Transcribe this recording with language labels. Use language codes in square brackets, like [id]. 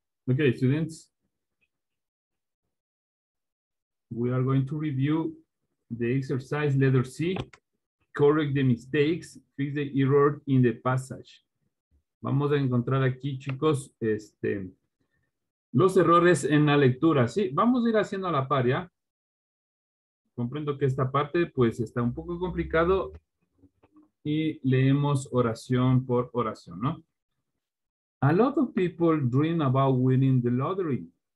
[en] Okay, students, we are going to review the exercise letter C, correct the mistakes, fix the error in the passage. [es] Vamos a encontrar aquí, chicos, los errores en la lectura. Sí, vamos a ir haciendo a la par, ¿ya? Comprendo que esta parte, pues, está un poco complicado y leemos oración por oración, ¿no? [en] A lot of people dream about winning the lottery.